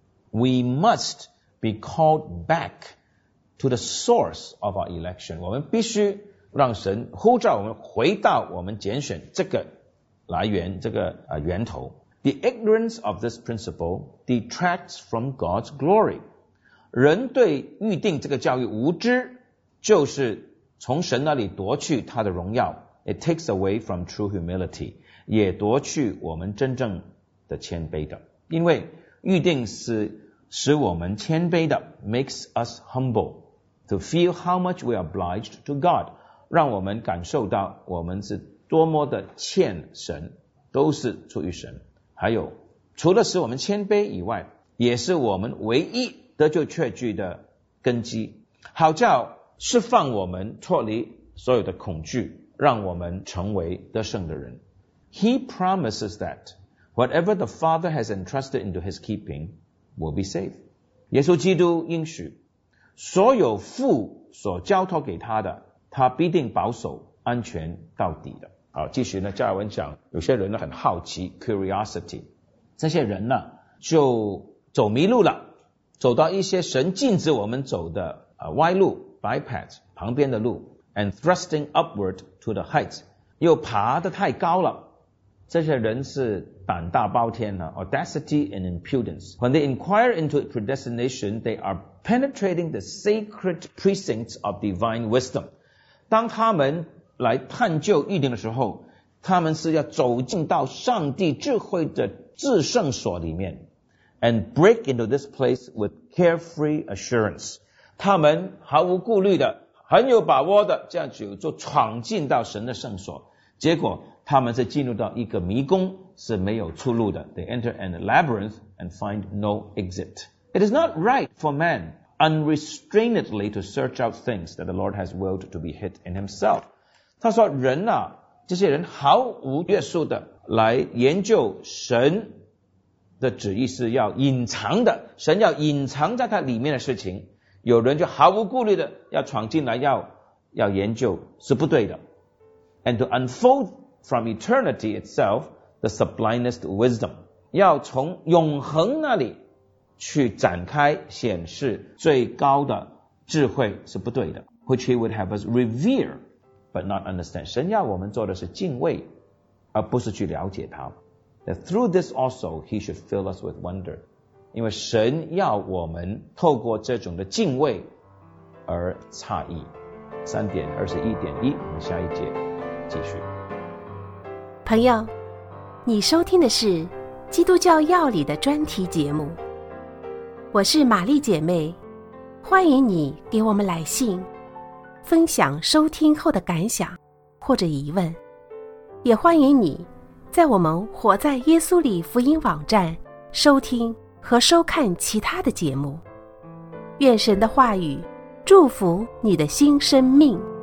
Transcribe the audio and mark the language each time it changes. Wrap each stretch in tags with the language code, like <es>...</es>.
<en>We must be called backTo the source of our election，</en> <zh>我们必须让神呼召我们回到我们拣选这个来源，这个源头。</zh> <en>The ignorance of this principle detracts from God's glory。</en> <zh>人对预定这个教育无知，就是从神那里夺去他的荣耀。</zh> <en>It takes away from true humility，</en> <zh>也夺去我们真正的谦卑的。因为预定是使我们谦卑的 ，</zh> <en>makes us humble。 To feel how much we are obliged to God，</en> <zh>让我们感受到我们是多么的欠神，都是出于神。还有，除了使我们谦卑以外，也是我们唯一得救确据的根基，好叫释放我们脱离所有的恐惧，让我们成为得胜的人。</zh> <en>He promises that whatever the Father has entrusted into His keeping will be safe。</en> <zh>耶稣基督应许所有父所交托给他的，他必定保守安全到底的。好，继续呢，加尔文讲，有些人呢很好奇 ，curiosity， 这些人呢就走迷路了，走到一些神禁止我们走的歪路 bypass 旁边的路</zh> <en>and thrusting upward to the heights</en> <zh>又爬得太高了，这些人是胆大包天的</zh> <en>audacity and impudence. When they inquire into predestination, they are penetrating the sacred precincts of divine wisdom.</en> <zh>当他们来探究预定的时候，他们是要走进到上帝智慧的至圣所里面</zh> <en>and break into this place with carefree assurance.</en> <zh>他们毫无顾虑的，很有把握的，这样就闯进到神的圣所，结果他们是进入到一个迷宫，是没有出路的。</zh> <en>They enter a labyrinth and find no exit. It is not right for man unrestrainedly to search out things that the Lord has willed to be hid in himself.</en> <zh>他说人啊，这些人毫无约束的来研究神的旨意是要隐藏的，神要隐藏在他里面的事情，有人就毫无顾虑的要闯进来要研究是不对的。</zh> <en>And to unfoldFrom eternity itself, the sublimest wisdom.</en> <zh>要从永恒那里去展开显示最高的智慧是不对的。</zh> <en>Which he would have us revere, but not understand.</en> <zh>神要我们做的是敬畏，而不是去了解他。</zh> <en>That through this also, he should fill us with wonder.</en> <zh>因为神要我们透过这种的敬畏而诧异。 3.21.1, 我们下一节继续。朋友，你收听的是《基督教要理》的专题节目，我是玛丽姐妹，欢迎你给我们来信，分享收听后的感想或者疑问，也欢迎你在我们《活在耶稣里》福音网站收听和收看其他的节目。愿神的话语祝福你的新生命。</zh>